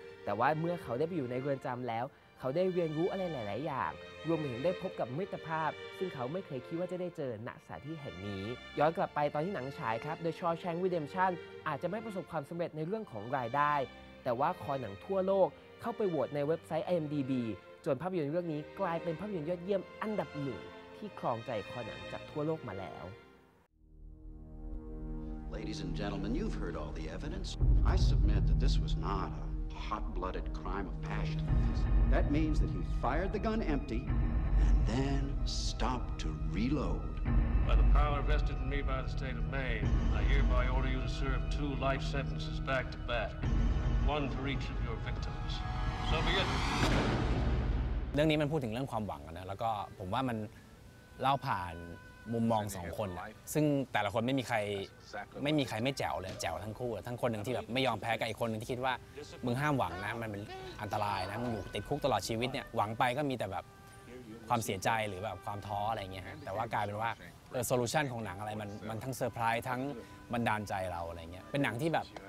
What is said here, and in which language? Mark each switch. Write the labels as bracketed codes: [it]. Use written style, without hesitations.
[th] แต่ว่าเมื่อเขาได้ไปอยู่ในเรือนจำแล้วเขาได้เรียนรู้อะไรหลายๆอย่างรวมถึงได้พบกับมิตรภาพซึ่งเขาไม่เคยคิดว่าจะได้เจอณสถานที่แห่งนี้ย้อนกลับไปตอนที่หนังฉายครับ The Shawshank Redemption อาจจะไม่ประสบความสำเร็จในเรื่องของรายได้แต่ว่าคอหนังทั่วโลกเข้าไปโหวตในเว็บไซต์ IMDb จนภาพยนตร์เรื่องนี้กลายเป็นภาพยนตร์ยอดเยี่ยมอันดับหนึ่งที่ครองใจคอหนังจากทั่วโลกมาแล้ว [en] Ladies and gentlemen, you've heard all the evidence. I submit that this was not a hot-blooded crime of passion. That means that he fired the gun empty and then stopped to reload. By the power vested in me by the state of Maine, I hereby order you to serve two life sentences back to back. One for each of your victims. So begin. [th] เรื่องนี้มันพูดถึงเรื่องความหวังนะแล้วก็ผมว่ามันเล่าผ่านมุมมองสองคนซึ่งแต่ละคนไม่มีใครไม่แจ๋วเลยแจ๋วทั้งคู่ทั้งคนหนึ่งที่แบบไม่ยอมแพ้กับอีกคนหนึ่งที่คิดว่ามึงห้ามหวังนะมันเป็นอันตรายนะมึงอยู่ติดคุกตลอดชีวิตเนี่ยหวังไปก็มีแต่แบบความเสียใจหรือแบบความท้ออะไรเงี้ยแต่ว่ากลายเป็นว่าโซลูชันของหนังอะไรมันทั้งเซอร์ไพรส์ทั้งบันดาลใจเราอะไรเงี้ยเป็นหนังที่แบบ